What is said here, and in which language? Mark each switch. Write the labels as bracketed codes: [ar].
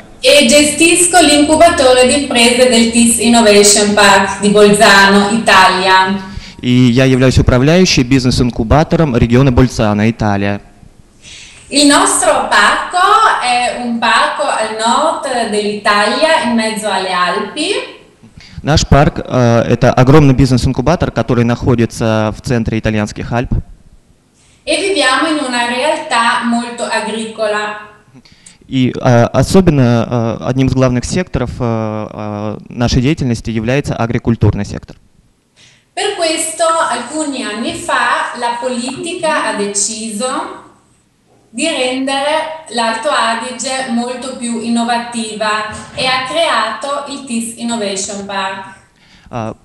[it] E gestisco l'incubatore di imprese del TIS Innovation Park di Bolzano, Italia. [ru] И я являюсь управляющей бизнес-инкубатором региона Больцано, Италия. [it] Il nostro parco è un parco al nord dell'Italia, in mezzo alle Alpi. [ru] Наш парк – это огромный бизнес-инкубатор, который находится в центре итальянских Альп. [it] E viviamo in una realtà molto agricola. [ru] И особенно одним из главных секторов нашей деятельности является агрикультурный сектор. [it] Per questo alcuni anni fa la politica ha deciso di rendere l'Alto Adige molto più innovativa e ha creato il TIS Innovation Park.